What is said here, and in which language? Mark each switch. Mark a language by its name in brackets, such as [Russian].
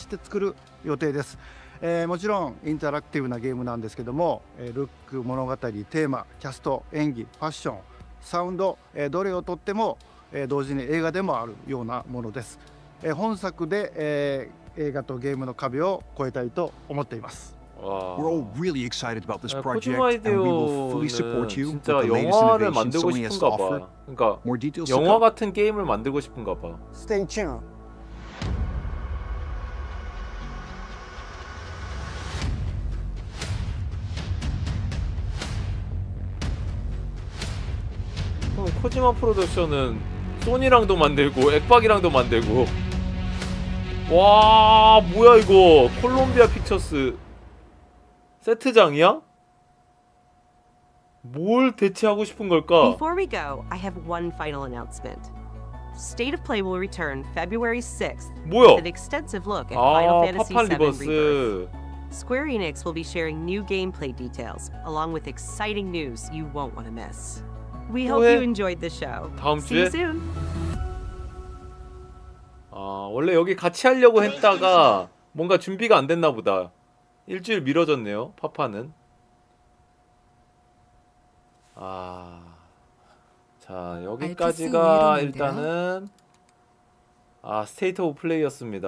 [Japanese] まだ詳しくは言えませんけども、最先端のテクノロジーと世界中の才能を集結して作る予定です。もちろんインタラクティブなゲームなんですけども、ルック、物語、テーマ、キャスト、演技、ファッション、サウンド、どれをとっても同時に映画でもあるようなものです。本作で映画とゲームの壁を越えたいと思っています。 [English] We're all really excited about this project and we will fully support you with the latest innovations Sony has to offer. [Korean] 그러니까 [English] More details [Korean] 영화 [English] to come. [Korean] 같은 게임을 만들고 싶은가 봐. [English] Stay tuned. [Korean] Kojima 프로덕션은 소니랑도 만들고 엑박이랑도 만들고 와 뭐야 이거 콜롬비아 픽처스 세트장이야? 뭘 대체하고 싶은 걸까? [English] Before we go, I have one final announcement. State of Play will return February 6th. [Korean] 뭐야? [English] With an extensive look at Final Fantasy 7 Rebirth. Square Enix will be sharing new gameplay details along with exciting news you won't want to miss. We hope you enjoyed the show. [Korean] 다음 주에? [English] See you soon. [Korean] 아, 원래 여기 같이 하려고 했다가 뭔가 준비가 안 됐나 보다. 일주일 미뤄졌네요. 파파는. 아. 자, 여기까지가 일단은 아, 스테이트 오브 플레이였습니다.